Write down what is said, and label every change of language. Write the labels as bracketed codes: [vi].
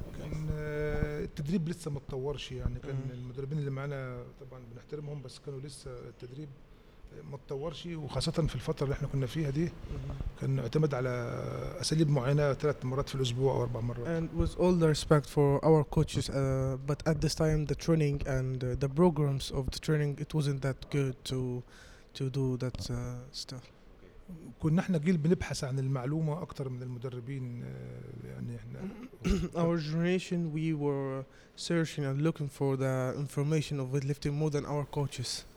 [ar] كان التدريب لسه ما اتطورش يعني كان المدربين اللي معنا طبعا بنحترمهم بس كانوا لسه التدريب ما اتطورش وخاصة في الفترة اللي احنا كنا فيها دي كان اعتمد على أساليب معينة ثلاث مرات في الأسبوع أو أربع مرات. [en] And with all the respect for our coaches, but at this time the training and the programs of the training it wasn't that good to do that stuff. [ar] كنا احنا جيل بنبحث عن المعلومة أكتر من المدربين يعني احنا [en] Our generation we were searching and looking for the information of weightlifting more than our coaches.